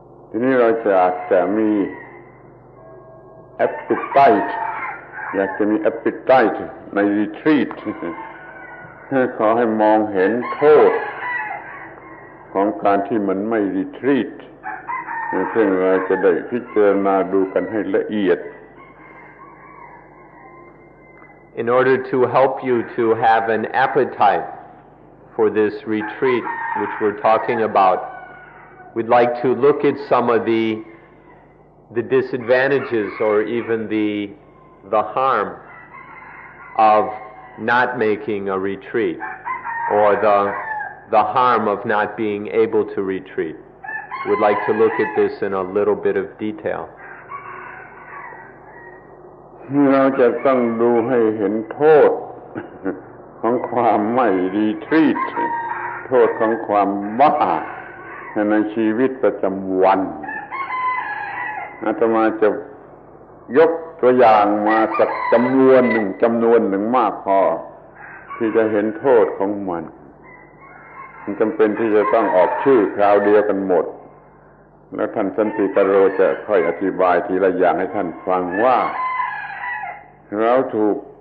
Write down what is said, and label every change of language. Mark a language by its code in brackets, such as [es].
[th] ทีนี้เราจะอาจจะมี appetite อยากจะมี appetite ใน retreat ขอให้มองเห็นโทษของการที่มันไม่ retreat ซึ่งเราจะได้พิจารณาดูกันให้ละเอียด [en] In order to help you to have an appetite for this retreat which we're talking aboutWe'd like to look at some of the disadvantages or even the harm of not making a retreat or the harm of not being able to retreat. We'd like to look at this in a little bit of detail. [th] เราจะต้องดูให้เห็นโทษของความไม่ retreat โทษของความบ้าในชีวิตประจำวัน อาตมาจะยกตัวอย่างมาสักจำนวนหนึ่งมากพอที่จะเห็นโทษของมันจำเป็นที่จะต้องออกชื่อคราวเดียวกันหมดแล้วท่านสันติกะโรจะค่อยอธิบายทีละอย่างให้ท่านฟังว่าเราถูก